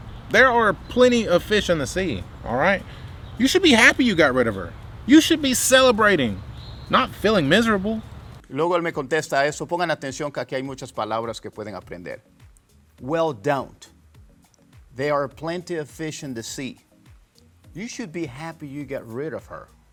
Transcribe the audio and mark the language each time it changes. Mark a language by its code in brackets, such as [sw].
[en] There are plenty of fish in the sea, all right? You should be happy you got rid of her. You should be celebrating, not feeling miserable. [es] Luego él me contesta eso. Pongan atención que aquí hay muchas palabras que pueden aprender. [en] Well, don't. There are plenty of fish in the sea. You should be happy you got rid of her.